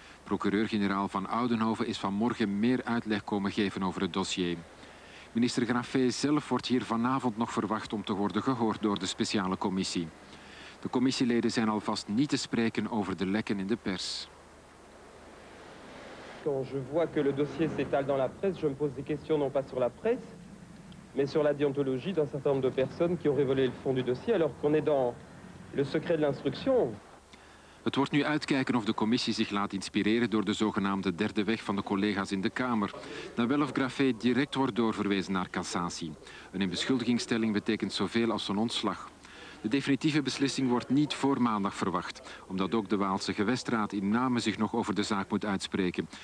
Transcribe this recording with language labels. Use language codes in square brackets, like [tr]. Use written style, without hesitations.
[nl] Procureur-generaal Van Oudenhoven is vanmorgen meer uitleg komen geven over het dossier. Minister Graffé zelf wordt hier vanavond nog verwacht om te worden gehoord door de speciale commissie. De commissieleden zijn alvast niet te spreken over de lekken in de pers. [fr] Quand je vois que le dossier s'étale dans la presse, je me pose des questions non pas sur la presse, mais sur la déontologie d'un certain nombre de personnes qui auraient volé le fond du dossier alors qu'on est dans le secret de l'instruction. [nl] Het wordt nu uitkijken of de commissie zich laat inspireren door de zogenaamde derde weg van de collega's in de Kamer. Dan wel of Graffé direct wordt doorverwezen naar cassatie. Een inbeschuldigingsstelling betekent zoveel als een ontslag. De definitieve beslissing wordt niet voor maandag verwacht, omdat ook de Waalse gewestraad in Namen zich nog over de zaak moet uitspreken.